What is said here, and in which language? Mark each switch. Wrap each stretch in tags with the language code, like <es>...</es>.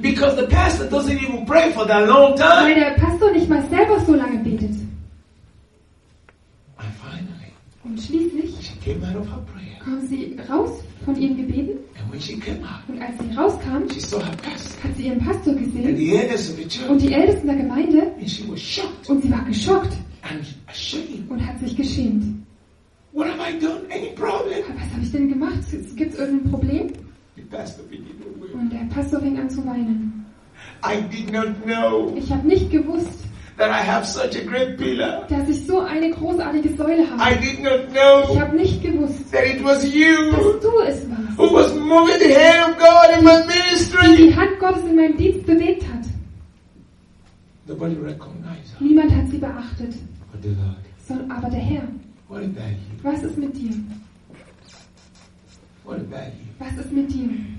<en>Because the pastor doesn't even pray for that long time.</en> <de>Weil der Pastor nicht mal selber so lange betet.</de> <en>And finally,</en> <de>und schließlich,</de> <en>she came out of her prayer.</en> <de>Kam sie raus von ihrem Gebeten.</de> <en>And when she came out,</en> <de>und als sie rauskam,</de> <en>she saw her pastor,</en> <de>hat sie ihren Pastor gesehen.</de> <en>And the elders of the church,</en> <de>und die Ältesten der Gemeinde.</de> <en>And she was shocked.</en> <de>Und sie war geschockt.</de> <en>And ashamed.</en> <de>Und hat sich geschämt.</de> <en>What have I done? Any problem?</en> <de>Was habe ich denn gemacht? Gibt es irgendein Problem?</de> <en>The pastor began to weep.</en> <de>Und der Pastor fing an zu weinen.</de> <en>I did not know,</en> <de>ich habe nicht gewusst,</de> <en>that I have such a great pillar,</en> <de>dass ich so eine großartige Säule habe.</de> <en>I did not know,</en> <de>ich habe nicht gewusst,</de> <en>that it was you,</en> <de>dass du es warst,</de> <en>who was moving the hand of God in my ministry,</en> <de>die Hand Gottes in meinem Dienst bewegt hat.</de> <en>Nobody recognized her.</en> <de>Niemand hat sie beachtet.</de> <en>But the Lord.</en> <de>Aber der Herr,</de> <en>what about you?</en> <de>Was ist mit dir?</de> <en>What about you?</en> <de>Was ist mit dir?</de>